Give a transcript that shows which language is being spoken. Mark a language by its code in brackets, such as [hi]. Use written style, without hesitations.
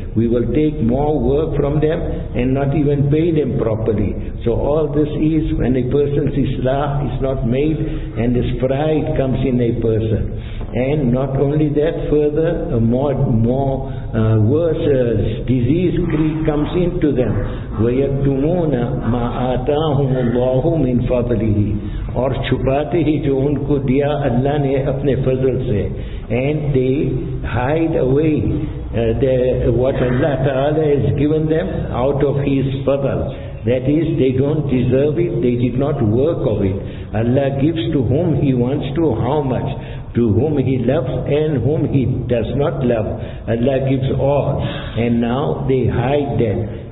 [en] We will take more work from them and not even pay them properly. So all this is when a person's islah is not made and this pride comes in a person. And not only that, further, a worse disease creep comes into them. [ar] وَيَكْتُمُونَ مَا آتَاهُمُ اللَّهُ مِنْ فَضْلِهِ [ur] اور چھپاتے ہی جو ان کو دیا اللہ نے اپنے فضل سے. [en] And they hide away what Allah Ta'ala has given them out of His fadl. That is, they don't deserve it, they did not work of it. Allah gives to whom He wants to, how much, to whom He loves and whom He does not love. Allah gives all. And now they hide that.